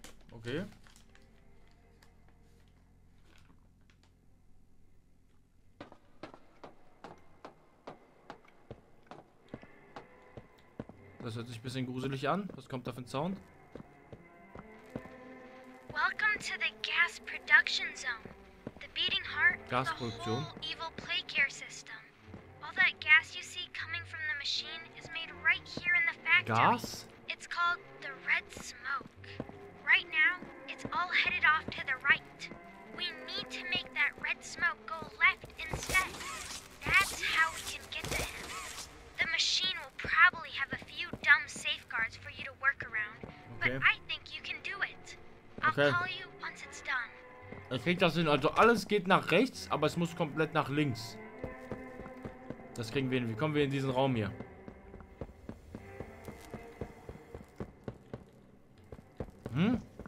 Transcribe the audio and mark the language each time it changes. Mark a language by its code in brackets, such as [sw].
[de] Okay. Das hört sich ein bisschen gruselig an. Was kommt da für ein Sound? [en] Welcome to the gas production zone. The beating heart of the whole evil Playcare system. All that gas you see coming from the machine is made right here in the factory. Gas? It's called the red smoke. Right now, it's all headed off to the right. We need to make that red smoke go left instead. That's how we can get to him. The machine will probably have a few dumb safeguards for you to work around, but okay. I think you can do it. I'll call you once it's done. [de] Kriegt das hin? Also alles geht nach rechts, aber es muss komplett nach links. Das kriegen wir hin. Wie kommen wir in diesen Raum hier? Hm?